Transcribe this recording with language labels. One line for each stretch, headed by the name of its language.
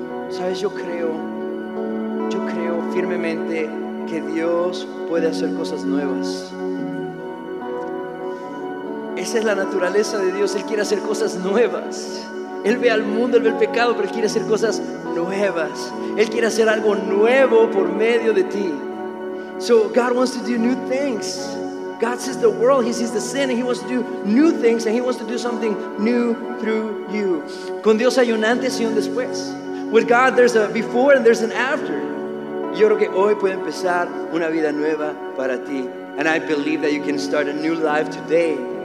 Spanish: Sabes, yo creo firmemente que Dios puede hacer cosas nuevas. Esa es la naturaleza de Dios. Él quiere hacer cosas nuevas. Él ve al mundo, Él ve el pecado, pero Él quiere hacer cosas nuevas. Él quiere hacer algo nuevo por medio de ti.
English: So God wants to do new things. God sees the world, He sees the sin, and He wants to do new things, and He wants to do something new through you.
Spanish: Con Dios hay un antes y un después.
English: With God there's a before and there's an after.
Spanish: Yo creo que hoy puede empezar una vida nueva para ti.
English: And I believe that you can start a new life today.